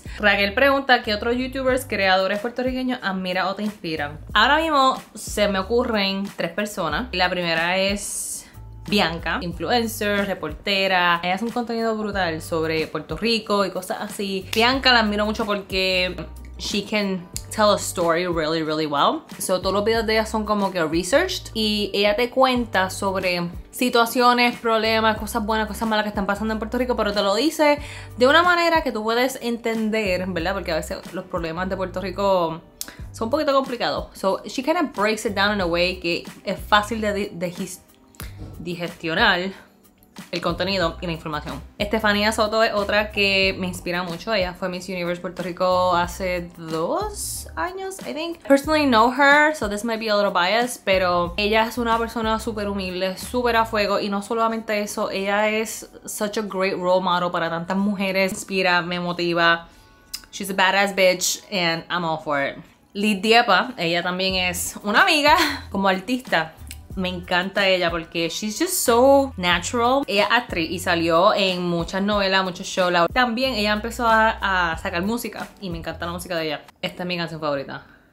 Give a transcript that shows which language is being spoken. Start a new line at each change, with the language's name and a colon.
Spanish: Raquel pregunta, ¿qué otros youtubers, creadores puertorriqueños admira o te inspiran? Ahora mismo se me ocurren tres personas. La primera es Bianca, influencer, reportera. Ella hace un contenido brutal sobre Puerto Rico y cosas así. Bianca la admiro mucho porque
English: she can tell a story really, really well.
Spanish: So todos los videos de ella son como que researched. Y ella te cuenta sobre situaciones, problemas, cosas buenas, cosas malas que están pasando en Puerto Rico, pero te lo dice de una manera que tú puedes entender, ¿verdad? Porque a veces los problemas de Puerto Rico son un poquito complicados.
English: So she kind of breaks it down in a way
Spanish: que es fácil de digestionar el contenido y la información. Estefanía Soto es otra que me inspira mucho. Ella fue Miss Universe Puerto Rico hace 2 años,
English: I think. Personally know her, so this might be a little biased,
Spanish: pero ella es una persona súper humilde, súper a fuego, y no solamente eso, ella es
English: such a great role model
Spanish: para tantas mujeres. Inspira, me motiva.
English: She's a badass bitch and I'm all for it.
Spanish: Liz Diepa, ella también es una amiga como artista. Me encanta ella porque
English: she's just so natural.
Spanish: Ella es actriz y salió en muchas novelas, muchos shows. También ella empezó a sacar música y me encanta la música de ella. Esta es mi canción favorita.